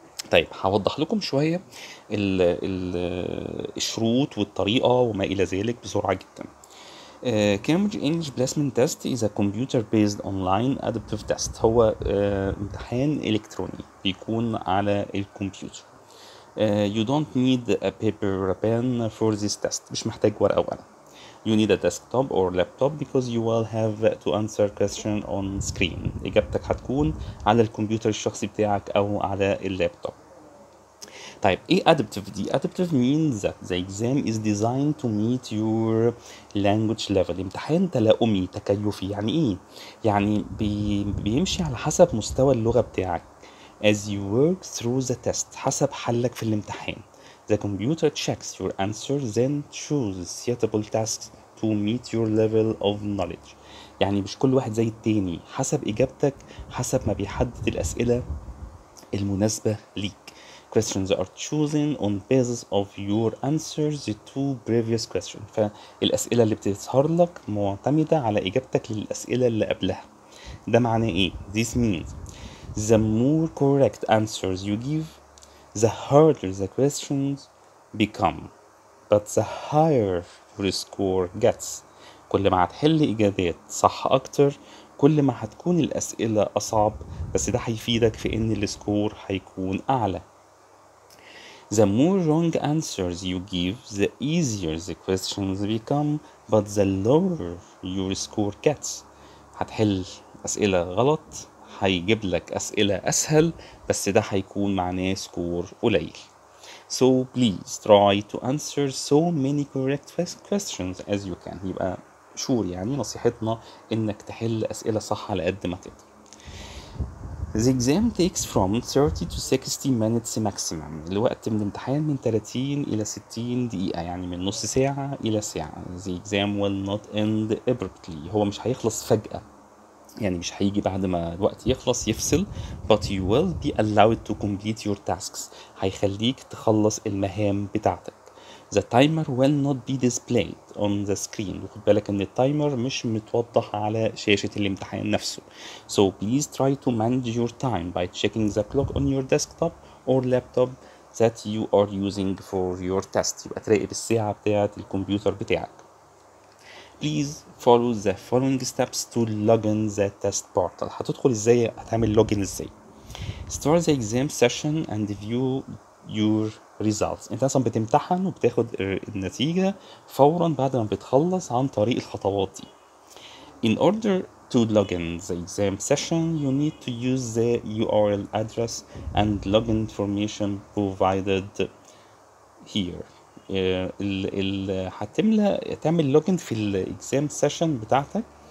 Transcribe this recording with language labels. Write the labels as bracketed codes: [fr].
[ar] طيب هوضح لكم شويه الشروط والطريقه وما الى ذلك بسرعه جدا. [en] Cambridge English Placement Test is a computer-based online adaptive test. [ar] هو امتحان إلكتروني بيكون على الكمبيوتر. [en] You don't need a paper or a pen for this test. [ar] مش محتاج ورقة أو قلم. [en] You need a desktop or laptop because you will have to answer question on screen. [ar] إجابتك هتكون على الكمبيوتر الشخصي بتاعك أو على اللابتوب. طيب ايه adaptive دي؟ [en] adaptive means that the exam is designed to meet your language level. [ar] امتحان تلاقمي تكيفي. يعني ايه؟ يعني بيمشي على حسب مستوى اللغة بتاعك. [en] As you work through the test، [ar] حسب حلك في الامتحان. [en] The computer checks your answer then chooses suitable tasks to meet your level of knowledge. [ar] يعني مش كل واحد زي التاني، حسب اجابتك حسب ما بيحدد الاسئلة المناسبة ليك. [en] Questions are chosen on basis of your answers to previous questions. [ar] فالأسئلة اللي بتظهر لك معتمدة على إجابتك للأسئلة اللي قبلها. ده معناه إيه؟ [en] This means the more correct answers you give, the harder the questions become, but the higher your score gets. [ar] كل ما هتحل إجابات صح أكتر، كل ما هتكون الأسئلة أصعب، بس ده هيفيدك في إن السكور هيكون أعلى. [en] The more wrong answers you give, the easier the questions become, but the lower your score gets. [ar] هتحل أسئلة غلط، هيجيب لك أسئلة أسهل، بس ده هيكون معناه سكور قليل. [en] So please try to answer so many correct questions as you can. [ar] يبقى شور، يعني نصيحتنا إنك تحل أسئلة صح على قد ما تقدر. [en] The exam takes from 30 to 60 minutes maximum. [ar] الوقت من الامتحان من 30 إلى 60 دقيقة، يعني من نص ساعة إلى ساعة. [en] The exam will not end abruptly. [ar] هو مش هيخلص فجأة، يعني مش هيجي بعد ما الوقت يخلص يفصل. [en] But you will be allowed to complete your tasks. [ar] هيخليك تخلص المهام بتاعتك. [en] The timer will not be displayed on the screen. [ar] وخد بالك ان التايمر مش متوضح على شاشة الامتحان نفسه. [en] So please try to manage your time by checking the clock on your desktop or laptop that you are using for your test. [ar] يبقى تراقب الساعة بتاعة الكمبيوتر بتاعك. [en] Please follow the following steps to login the test portal. [ar] هتدخل ازاي؟ هتعمل login ازاي؟ [en] Start the exam session and view your results. [ar] انت اصلا بتمتحن وبتاخد النتيجة فورا بعد ما بتخلص عن طريق الخطوات دي. [en] In order to login the exam session you need to use the URL address and login information provided here. [ar] هتعمل login في الـ exam session بتاعتك.